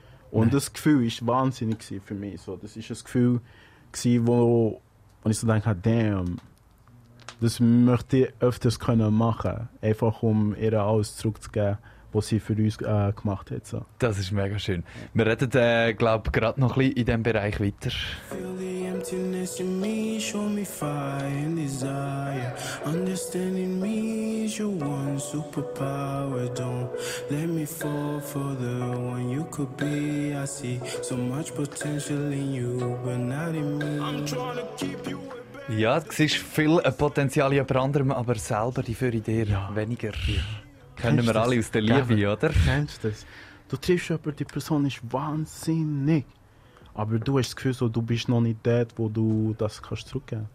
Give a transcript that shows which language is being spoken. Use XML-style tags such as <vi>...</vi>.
<de>Und das Gefühl war wahnsinnig für mich. So, das war ein Gefühl, wo ich so dachte, damn, das möchte ich öfters können machen, einfach um ihr alles zurückzugeben, die sie für uns gemacht hat. So. Das ist mega schön. Wir reden, glaube ich, gerade noch ein bisschen in diesem Bereich weiter.</de> <en>Emptiness in me, show me fire and desire. Understanding me is your one superpower. Don't let me fall for the one you could be. I see so much potential in you, but not in me. I'm trying to keep you.</en> <de>Ja, es ist viel Potenzial in jemand anderem, aber selber die für Idee ja. weniger. Ja. Kennen wir alle aus der Liebe, ja, oder? Kennst du das? Du triffst jemanden, die Person ist wahnsinnig. Aber du hast das Gefühl, so, du bist noch nicht dort, wo du das kannst zurückgeben.</de>